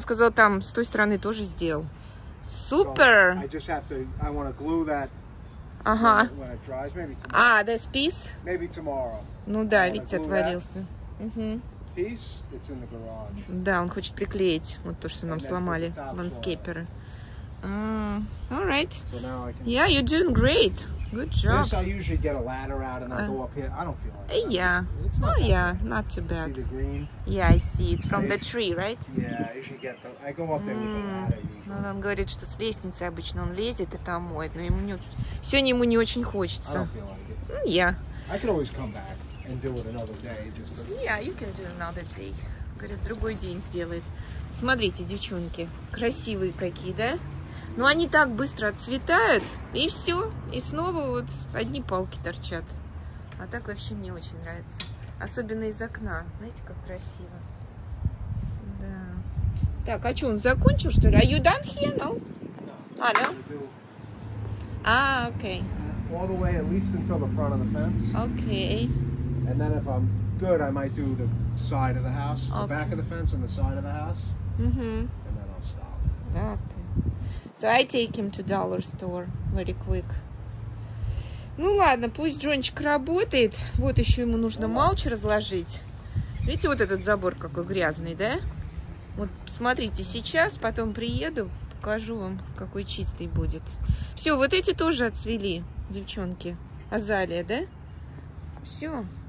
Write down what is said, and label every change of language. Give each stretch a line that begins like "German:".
Russian: Сказал там, с той стороны тоже сделал.
English: Super! So I just have to, I want to glue that when it dries, maybe tomorrow. This piece? Maybe tomorrow.
Russian: Ну да, видите, отвалился.
English: Piece, it's in the garage.
Russian: Да, он хочет приклеить вот то, что нам сломали ландскейперы.
English: All right. So now I can... Yeah, you're doing great. Good job. This, I usually get a ladder out and I go up here. I don't feel like that. Yeah. It's not not too bad. See the green? Yeah, I see. It's from the tree, right? Yeah, I usually get the... I go up there with the ladder usually.
Russian: Ну, он говорит, что с лестницы обычно он лезет и там моет, но ему не... Сегодня ему не очень хочется.
English: I don't feel like it. Yeah. I could always come back and do it another day. Yeah, you can do another day.
Russian: Говорит, другой день сделает. Смотрите, девчонки, красивые какие, да? Но они так быстро отцветают, и все. И снова вот одни палки торчат. А так вообще мне очень нравится. Особенно из окна. Знаете, как красиво. Да. Так, а что, он закончил, что ли?
English: Are you done here? No. No. No? Okay. All the way, at least until the front of the fence. Okay. And then if I'm good, I might do the side of the house. The back of the fence and the side of the house. Mm-hmm. And then I'll stop.
Russian: Так.
English: So I take him to dollar store very quick.
Russian: Ну ладно, пусть Джончик работает. Вот еще ему нужно малч разложить. Видите, вот этот забор какой грязный, да? Вот смотрите, сейчас, потом приеду, покажу вам, какой чистый будет. Все, вот эти тоже отцвели, девчонки. Азалия, да? Все.